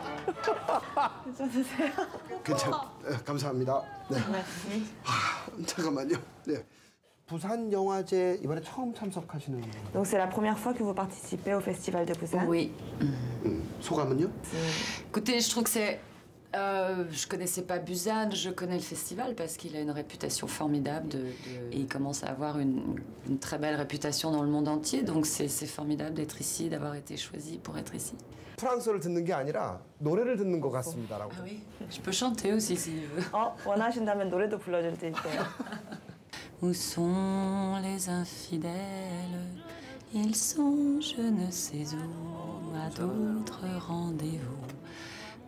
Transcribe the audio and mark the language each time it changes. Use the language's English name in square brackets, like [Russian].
[Korean] 괜찮으세요? 네, 감사합니다. 네. 아, 잠깐만요. 네. 부산 영화제 이번에 처음 참석하시는 거예요? [French] Donc c'est la première fois que vous participez au festival de Busan? Oui. [Korean] 소감은요? [French] Écoutez, je trouve que c'est je connaissais pas Busan, je connais le festival parce qu'il a une réputation formidable et il commence à avoir une très belle réputation dans le monde entier. Donc c'est formidable d'être ici, d'avoir été choisi pour être ici. [Korean] 프랑스어를 듣는 게 아니라 노래를 듣는 것 같습니다라고. 아, 예. [French] Je peux chanter aussi si vous. [Korean] 어, 원하신다면 노래도 불러 줄 테니까요. [French] Où sont les infidèles? Ils sont je ne sais où à d'autres rendez-vous.